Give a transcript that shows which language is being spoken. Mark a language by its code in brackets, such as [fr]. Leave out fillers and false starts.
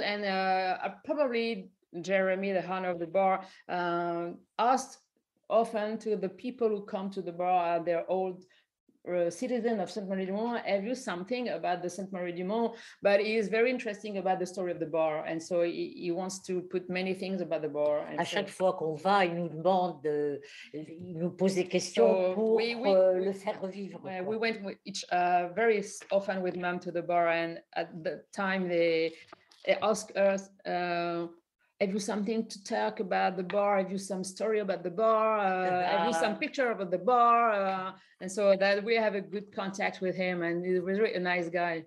[en] And probably Jeremy, the owner of the bar, asked often to the people who come to the bar, their old citizen of Sainte-Marie-du-Mont, have you something about the Sainte-Marie-du-Mont? But he is very interesting about the story of the bar. And so he wants to put many things about the bar. [fr] À chaque fois qu'on va, il nous demande, il nous pose des questions pour le faire vivre. [en] We went very often with mom to the bar, and at the time they ask us, have you something to talk about the bar? Have you some story about the bar? Have you some picture about the bar? And so that we have a good contact with him, and he's really a nice guy.